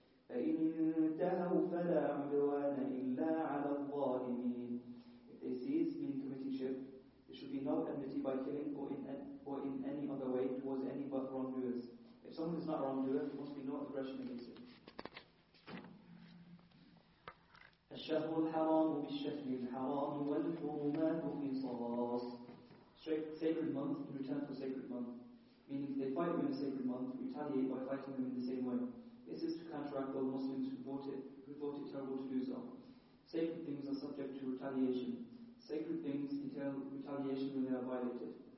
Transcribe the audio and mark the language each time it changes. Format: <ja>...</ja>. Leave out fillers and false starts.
<ar>فَإِنْ انْتَهَوْا فَلَا عُدْوَانَ إِلَّا عَلَى الظَّالِمِينَ.</ar> <en>They cease, meaning committing shirk, there should be no enmity by killing or in any other way towards any but wrongdoers. If someone is not a wrongdoer, there must be no aggression against him.</en> <ar>الشهر الحرام بالشهر الحرام والحرمات في صلاة.</ar> <en>Sacred month in return for sacred month. Meaning they fight. fight them in a sacred month, retaliate by fighting them in the same way. This is to counteract those Muslims who thought it terrible to do so. Sacred things are subject to retaliation. Sacred things entail retaliation when they are violated.</en>